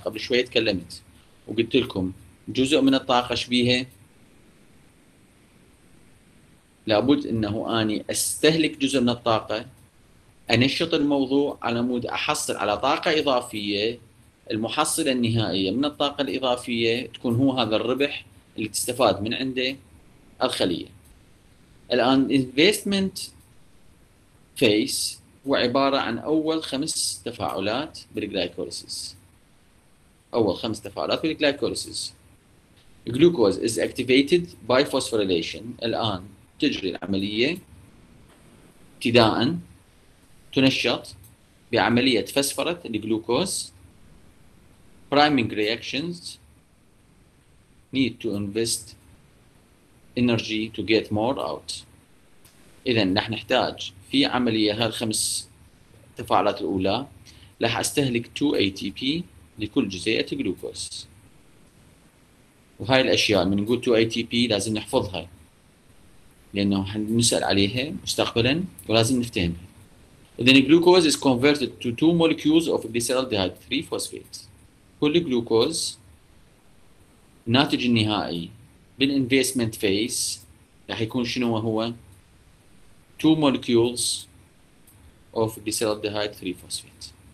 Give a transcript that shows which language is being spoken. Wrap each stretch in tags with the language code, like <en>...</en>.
<ar>قبل شويه تكلمت وقلت لكم جزء من الطاقه شبيهه، لابد انه انا استهلك جزء من الطاقه، انشط الموضوع على مود احصل على طاقه اضافيه، المحصله النهائيه من الطاقه الاضافيه تكون هو هذا الربح اللي تستفاد من عنده الخليه. الان</ar> <en>investment phase</en> <ar>هو عبارة عن أول 5 تفاعلات بالجلايكوليسيس. أول 5 تفاعلات بالجلايكوليسيس.</ar> <en>Glucose is activated by phosphorylation.</en> <ar>الآن تجري العملية ابتداءً تنشط بعملية فسفرة الجلوكوز.</ar> <en>Priming reactions need to invest energy to get more out.</en> <ar>إذا نحن نحتاج في عملية هالخمس التفاعلات الأولى راح استهلك 2 ATP لكل جزيئة جلوكوز. وهاي الأشياء من نقول 2 ATP لازم نحفظها لأنه حنسأل عليها مستقبلا ولازم نفتهمها. إذا الجلوكوز</ar> <en>is converted to 2 molecules of glyceraldehyde 3 phosphate.</en> <ar>كل جلوكوز الناتج النهائي بال</ar> <en>investment phase</en> <ar>راح يكون شنو هو؟</ar> <en>2 molecules of glyceraldehyde 3 phosphate.</en>